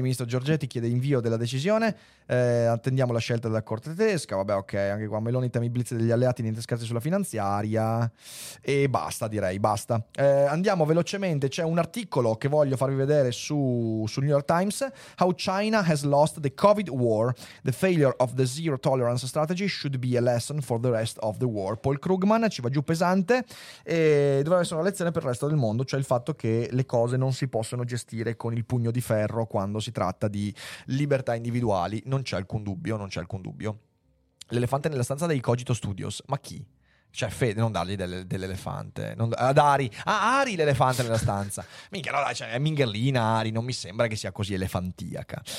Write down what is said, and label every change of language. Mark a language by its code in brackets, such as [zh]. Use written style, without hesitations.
[it] Il ministro Giorgetti chiede invio della decisione. Attendiamo la scelta della Corte tedesca. Vabbè, ok, anche qua Meloni temi blitz degli alleati, niente scherzi sulla finanziaria. E basta, direi, basta. Andiamo velocemente, c'è un articolo che voglio farvi vedere su New York Times. [en] How China has lost the COVID war. The failure of the zero tolerance strategy should be a lesson for the rest of the war. [it] Paul Krugman ci va giù pesante. E dovrebbe essere una lezione per il resto del mondo, cioè il fatto che le cose non si possono gestire con il pugno di ferro quando si tratta di libertà individuali. Non c'è alcun dubbio, non c'è alcun dubbio. L'elefante nella stanza dei Cogito Studios, ma chi? Cioè Fede, non dargli dell'elefante, non, ad Ari, ah Ari l'elefante nella stanza, minchia, no, cioè, è mingherlina Ari, non mi sembra che sia così elefantiaca.